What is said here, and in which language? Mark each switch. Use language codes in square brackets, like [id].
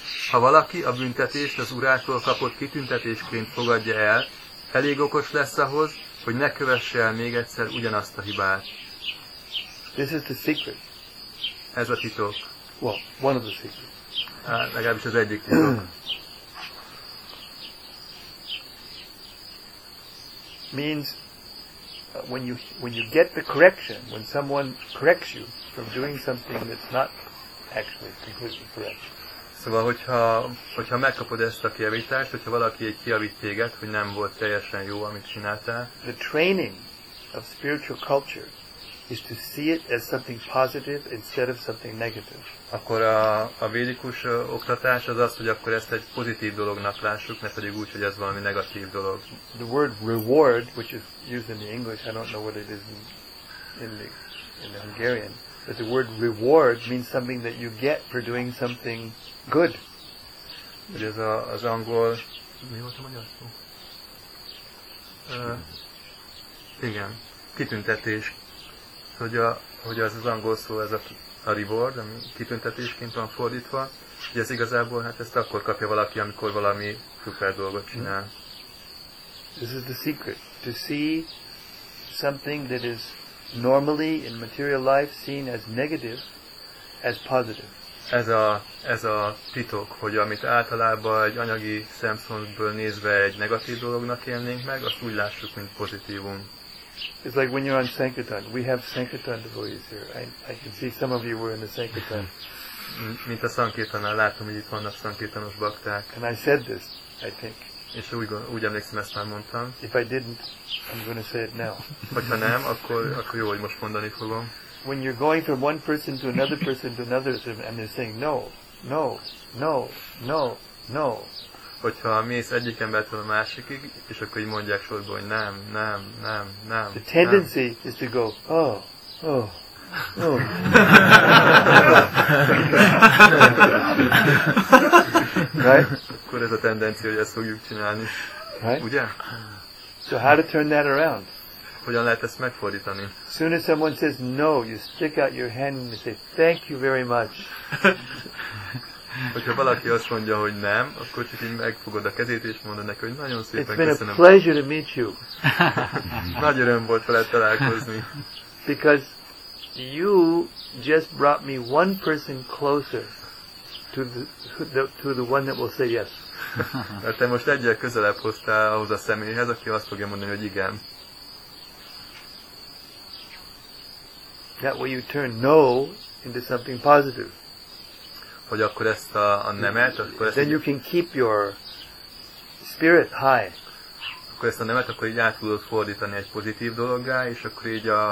[hu] Ha valaki a büntetést az urától kapott kitüntetésként fogadja el, elég okos lesz ahhoz, hogy ne kövesse el még egyszer ugyanazt a hibát. [en] This is the secret. [hu] Ez a titok. [en] Well, one of the secrets. [hu] Hát, legalábbis az egyik titok. [en] Means when you get the correction, when someone corrects you from doing something that's not actually completely correct. [hu] Szóval, hogyha megkapod ezt a kijavítást, hogyha valaki egy kijavít téged, hogy nem volt teljesen jó, amit csináltál. [en] The training of spiritual culture is to see it as something positive instead of something negative. [hu] Akkor a védikus oktatás az, hogy akkor ezt egy pozitív dolognak lássuk, ne pedig úgy, hogy ez valami negatív dolog. [en] The word reward, which is used in the English, I don't know what it is in the Hungarian, but the word reward means something that you get for doing something good. [hu] Hogy ez az angol... Mi volt a magyar szó? Igen, kitüntetés. Hogy az az angol szó, ez a reward, ami kitüntetésként van fordítva, hogy ez igazából, hát ezt akkor kapja valaki, amikor valami szuper dolgot csinál. [en] This is the secret, to see something that is normally in material life seen as negative, as positive. [hu] Ez a titok, hogy amit általában egy anyagi szempontból nézve egy negatív dolognak élnénk meg, azt úgy lássuk, mint pozitívum. [en] It's like when you're on Sankirtan. We have Sankirtan devotees here. I can see some of you were in the Sankirtan. [hu] Mint a Sankirtanál látom, hogy itt vannak Sankirtanos bakták. [en] And I said this, I think. [hu] És úgy emlékszem, ezt már mondtam. [en] If I didn't, I'm going to say it now. [hu] Hogyha nem, akkor jó, hogy most mondani fogom. [en] When you're going from one person to another person to another person and they're saying no, no, no, no, no. [hu] Hogyha mész egyik embertől a másikig, és akkor így mondják sorba, hogy nem, nem, nem, nem. [en] The tendency nem. Is to go, oh, oh, oh. Right? [hu] Akkor ez a tendencia, hogy ezt fogjuk csinálni. [en] Right? [hu] Ugye? [en] So how to turn that around? [hu] Hogyan lehet ezt megfordítani? [en] As soon as someone says no, you stick out your hand and say, thank you very much. [hu] Hogyha valaki azt mondja, hogy nem, akkor csak így megfogod a kezét és mondod neki, hogy nagyon szépen köszönöm. [en] It's been a pleasure to meet you. [hu] Nagy öröm volt veled találkozni. [en] Because you just brought me one person closer to the one that will say yes. [hu] Mert te most egyel közelebb hoztál ahhoz a személyhez, aki azt fogja mondani, hogy igen. [en] That way you turn no into something positive. [hu] Hogy akkor ezt a nemet, akkor ezt [en] then you can keep your spirit high. [hu] Akkor ezt a nemet, akkor így át tudod fordítani egy pozitív dologgá, és akkor így